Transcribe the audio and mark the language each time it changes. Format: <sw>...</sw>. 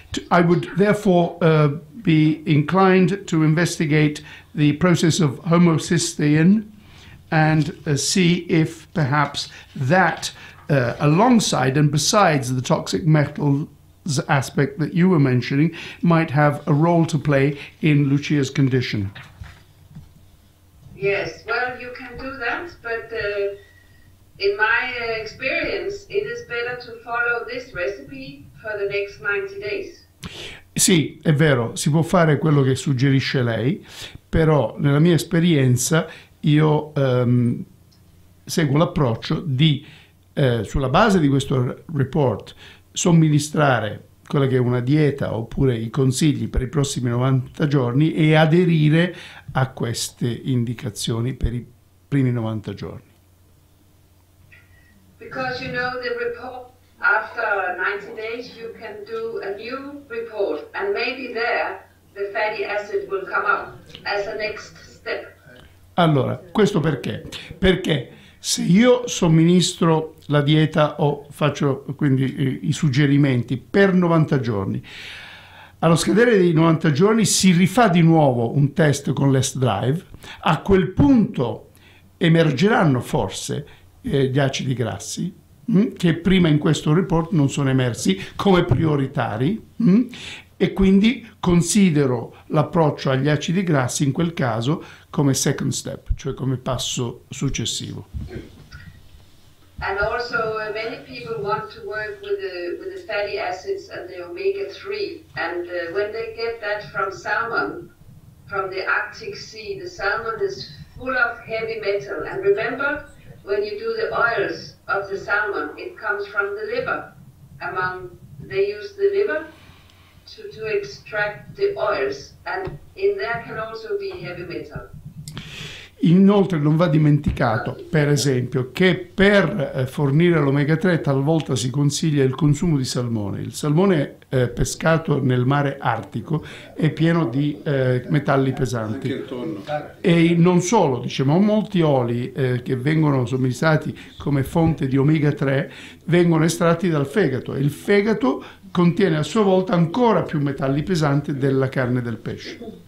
<en>I would therefore be inclined to investigate the process of homocysteine and see if perhaps that alongside and besides the toxic metal aspect that you were mentioning might have a role to play in Lucia's condition. Yes, well, you can do that, but in my experience, it is better to follow this recipe for the next 90 days.</en> <it>Sì, è vero, si può fare quello che suggerisce lei, però nella mia esperienza io seguo l'approccio di, sulla base di questo report, somministrare quella che è una dieta oppure i consigli per i prossimi 90 giorni e aderire a queste indicazioni per i primi 90 giorni.</it> <en>Because you know the report, after 90 days you can do a new report and maybe there the fatty acid will come up as a next step.</en> <it>Allora, questo perché? Perché se io somministro la dieta o faccio quindi i suggerimenti per 90 giorni, allo scadere dei 90 giorni si rifà di nuovo un test con l'est drive, a quel punto emergeranno forse gli acidi grassi che prima in questo report non sono emersi come prioritari, e quindi considero l'approccio agli acidi grassi in quel caso come second step, cioè come passo successivo.</it> <en>And also many people want to work with the fatty acids and the omega 3, and when they get that from salmon, from the Arctic Sea, the salmon is full of heavy metal, and remember, when you do the oils of the salmon, it comes from the liver. They use the liver to extract the oils, and in there can also be heavy metal.</en> <it>Inoltre non va dimenticato, per esempio, che per fornire l'omega 3 talvolta si consiglia il consumo di salmone. Il salmone pescato nel mare artico è pieno di metalli pesanti. E non solo, diciamo, molti oli che vengono somministrati come fonte di omega 3 vengono estratti dal fegato, e il fegato contiene a sua volta ancora più metalli pesanti della carne del pesce.</it>